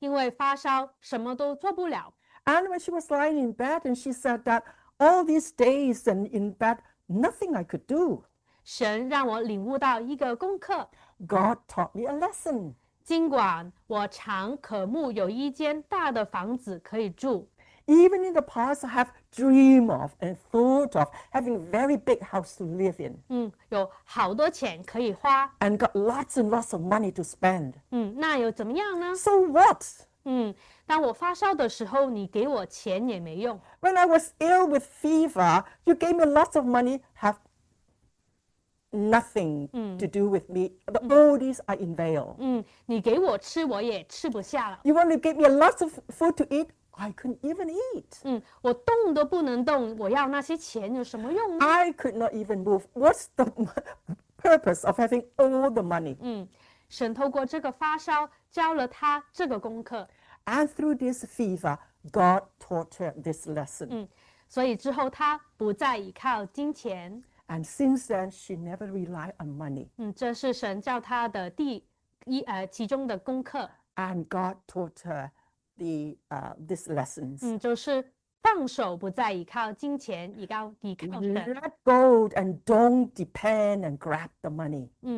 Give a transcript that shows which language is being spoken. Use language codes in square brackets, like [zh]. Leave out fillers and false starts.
[zh] 她说这几天睡在床上，因为发烧，什么都做不了。 [en] And when she was lying in bed, and she said that all these days and in bed, nothing I could do. [zh] 神让我领悟到一个功课。 [en] God taught me a lesson. [zh] 尽管我常渴慕有一间大的房子可以住。 [en] Even in the past, I have dreamed of and thought of having a very big house to live in. [zh] 有好多钱可以花。 [en] And got lots and lots of money to spend. [zh] 那又怎么样呢？ [en] So what? [zh] 当我发烧的时候，你给我钱也没用。 [en] When I was ill with fever, you gave me lots of money, have nothing to do with me. The oldies are in veil. [zh] 你给我吃，我也吃不下了。 [en] You want to give me lots of food to eat? I couldn't even eat. [zh] 我动都不能动，我要那些钱有什么用呢？ [en] I could not even move. What's the purpose of having all the money? [zh] 神透过这个发烧教了他这个功课。 [en] And through this fever, God taught her this lesson. [zh] 所以之后他不再依靠金钱。 [en] And since then, she never relied on money. [zh] 这是神教他的其中的功课。 [en] And God taught her these lessons. [zh] 就是放手不再依靠金钱，依靠神。 [en] Let go and don't depend and grab the money.